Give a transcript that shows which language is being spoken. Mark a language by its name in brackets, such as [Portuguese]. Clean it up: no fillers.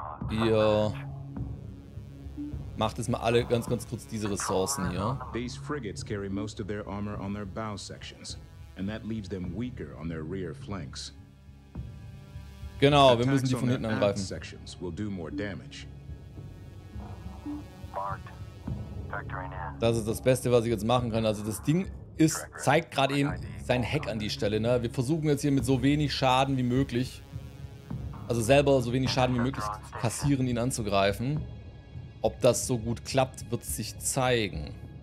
[German] Ihr macht jetzt mal alle ganz, ganz kurz diese Ressourcen hier. [English] These frigates carry most of their armor on their bow sections, and that leaves them weaker on their rear flanks. [German] Genau, wir müssen die von hinten angreifen. [English] Sections will do more damage. [German] Das ist das Beste, was ich jetzt machen kann. Also das Ding ist, zeigt gerade eben sein Heck an die Stelle. Ne? Wir versuchen jetzt hier mit so wenig Schaden wie möglich, also selber so wenig Schaden wie möglich kassieren, ihn anzugreifen. Ob das so gut klappt, wird sich zeigen.